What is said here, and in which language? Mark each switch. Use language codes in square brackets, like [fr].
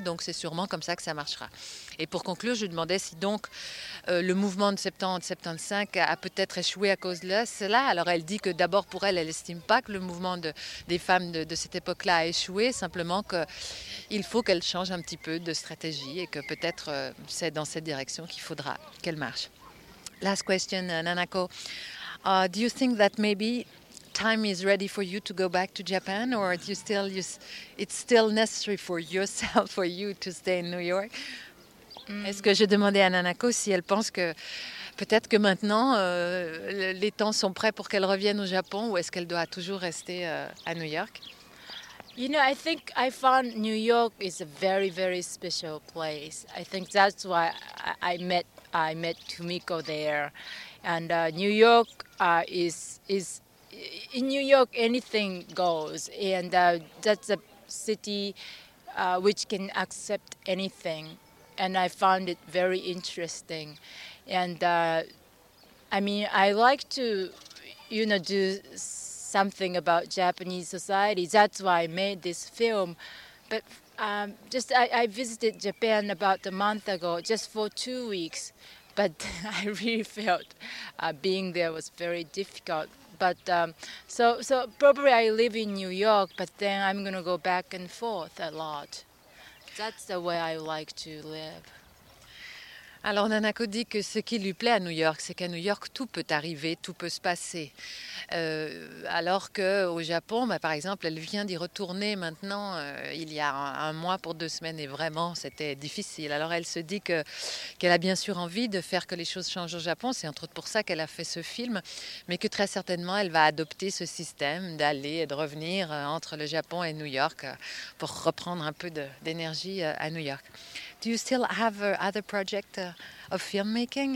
[fr] Donc c'est sûrement comme ça que ça marchera. Et pour conclure, je lui demandais si donc le mouvement de 70-75 a peut-être échoué à cause de cela. Alors elle dit que d'abord pour elle, elle n'estime pas que le mouvement des femmes de cette époque-là a échoué, simplement qu'il faut qu'elle change un petit peu de stratégie et que peut-être c'est dans cette direction qu'il faudra qu'elle marche. [en] Last question, Nanako. Do you think that maybe time is ready for you to go back to Japan, or do you still it's still necessary for yourself, for you to stay in New York? [fr] Est-ce que j'ai demandé à Nanako si elle pense que peut-être que maintenant les temps sont prêts pour qu'elle revienne au Japon, ou est-ce qu'elle doit toujours rester à New York? [en] You know, I think I found New York is a very, very special place. I think that's why I met Tomiko there, and New York is in New York anything goes, and that's a city which can accept anything. And I found it very interesting. And I mean, I like to, you know, do something about Japanese society. That's why I made this film. But I visited Japan about a month ago, just for 2 weeks. But I really felt being there was very difficult. But so probably I live in New York, but then I'm going to go back and forth a lot. That's the way I like to live. [fr] Alors Nanako dit que ce qui lui plaît à New York, c'est qu'à New York, tout peut arriver, tout peut se passer. Alors qu'au Japon, bah, par exemple, elle vient d'y retourner maintenant, il y a un mois pour 2 semaines, et vraiment, c'était difficile. Alors elle se dit qu'elle a bien sûr envie de faire que les choses changent au Japon, c'est entre autres pour ça qu'elle a fait ce film, mais que très certainement, elle va adopter ce système d'aller et de revenir entre le Japon et New York pour reprendre un peu d'énergie à New York. [en] Do you still have other project of filmmaking?